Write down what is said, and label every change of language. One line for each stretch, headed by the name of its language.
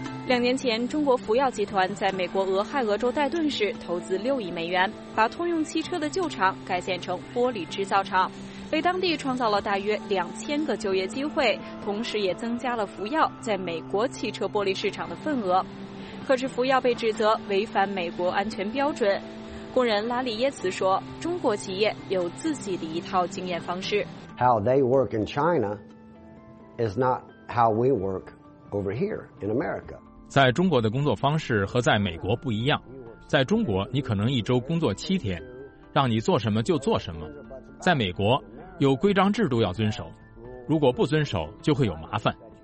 Chinese: 两年前，中国福耀集团在美国俄亥俄州戴顿市投资6亿美元，把通用汽车的旧厂改建成玻璃制造厂，为当地创造了大约2000个就业机会，同时也增加了福耀在美国汽车玻璃市场的份额。可是福耀被指责违反美国安全标准。工人拉里耶茨说，中国企业有自己的一套经验方式。
English: How they work in China is not how we work over here in America.
Chinese: 在中国的工作方式和在美国不一样。在中国，你可能一周工作7天，让你做什么就做什么。在美国，有规章制度要遵守，如果不遵守，就会有麻烦。